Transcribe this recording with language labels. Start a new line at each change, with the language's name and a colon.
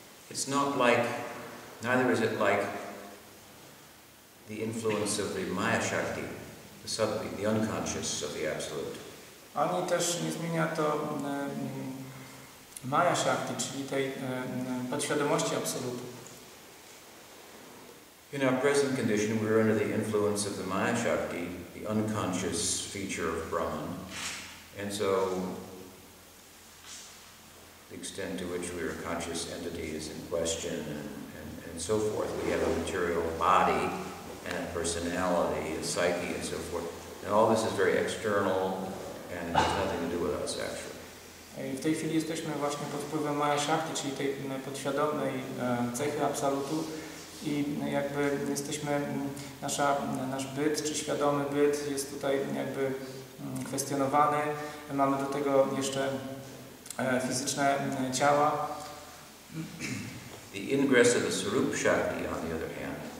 English: It's not like, neither is it like the influence of the Maya Shakti, the subtly, the unconscious of the absolute.
Polish: Ani też nie zmienia to Maya Shakti, czyli tej podświadomości absolutu.
English: In our present condition, we're under the influence of the Maya Shakti, the unconscious feature of Brahman, and so the extent to which we are a conscious entity is in question, and so forth. We have a material body. And personality, a psyche, and so forth. And all this is very external, and it has nothing to do with us, actually.
Polish: W tej chwili jesteśmy właśnie pod wpływem Maya Shakti, czyli tej podświadomej cechy absolutu, i jakby jesteśmy nasz byt, czy świadomy byt jest tutaj jakby kwestionowany. Mamy do tego jeszcze fizyczne ciała.
English: The ingress of the Swarup Shakti, on the other hand.